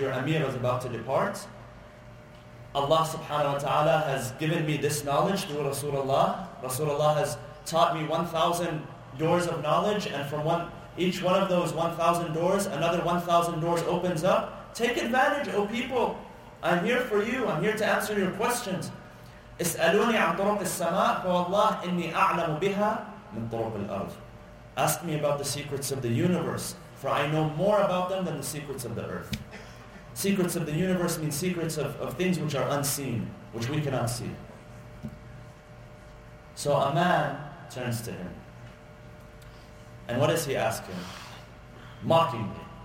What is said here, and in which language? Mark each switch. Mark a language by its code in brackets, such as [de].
[en] Your amir is about to depart. Allah subhanahu wa ta'ala has given me this knowledge through Rasulullah. Rasulullah has taught me 1,000 doors of knowledge, and from each one of those 1,000 doors, another 1,000 doors opens up. Take advantage, O people. I'm here for you. I'm here to answer your questions. [ar] اسألوني عن طرق السماء فوالله إني أعلم بها من طرق الأرض. [en] Ask me about the secrets of the universe. for I know more about them than the secrets of the earth. Secrets of the universe mean secrets of things which are unseen, which we cannot see. So a man turns to him. And what does he ask him? Mockingly.